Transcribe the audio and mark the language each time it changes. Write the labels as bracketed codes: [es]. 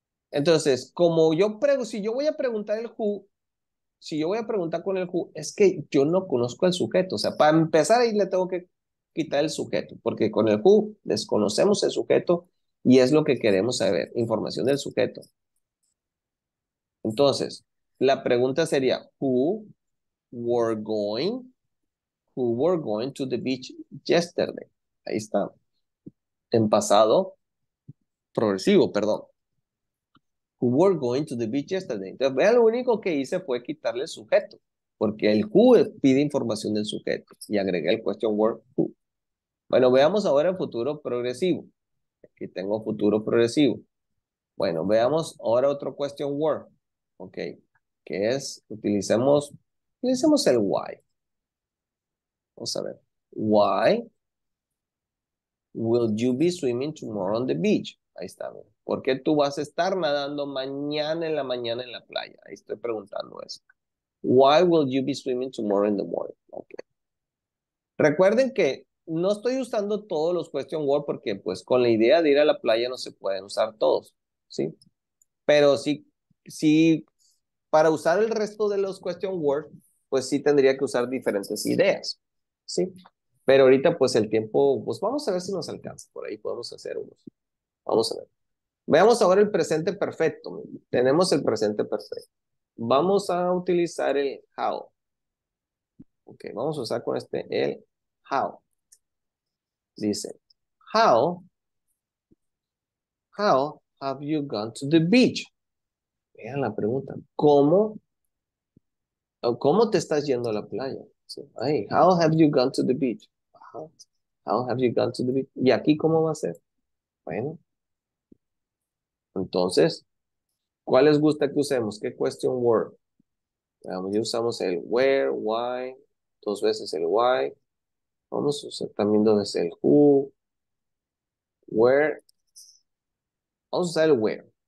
[es] Entonces, como yo pregunto, si yo voy a preguntar el who, si yo voy a preguntar con el who, es que yo no conozco el sujeto. O sea, para empezar ahí le tengo que quitar el sujeto, porque con el who desconocemos el sujeto y es lo que queremos saber, información del sujeto. Entonces, la pregunta sería, [en] who were going to the beach yesterday? [es] Ahí está. En pasado progresivo, perdón. [en] Who were going to the beach yesterday? [es] Entonces, vea, lo único que hice fue quitarle el sujeto, porque el who pide información del sujeto y agregué el question word who. Bueno, veamos ahora el futuro progresivo. Aquí tengo futuro progresivo. Bueno, veamos ahora otro question word. Ok. ¿Qué es? Utilicemos el why. Vamos a ver. [en] Why will you be swimming tomorrow on the beach? [es] Ahí está. ¿Por qué tú vas a estar nadando mañana en la playa? Ahí estoy preguntando eso. [en] Why will you be swimming tomorrow in the morning? [es] Ok. Recuerden que no estoy usando todos los question words porque pues con la idea de ir a la playa no se pueden usar todos, ¿sí? Pero si para usar el resto de los question words, pues sí tendría que usar diferentes ideas, ¿sí? Pero ahorita pues el tiempo, pues vamos a ver si nos alcanza. Por ahí podemos hacer unos. Vamos a ver. Veamos ahora el presente perfecto. Tenemos el presente perfecto. Vamos a utilizar el how. Ok, vamos a usar con este el how. [en] Dice, how have you gone to the beach? [es] Vean la pregunta. ¿Cómo te estás yendo a la playa? [en] So, hey, how have you gone to the beach? How have you gone to the beach? [es] ¿Y aquí cómo va a ser? Bueno, entonces, ¿Cuál les gusta que usemos? ¿Qué question word? Ya usamos el where, why, dos veces el why. Vamos a usar también dos veces el who, where. Vamos a usar el where.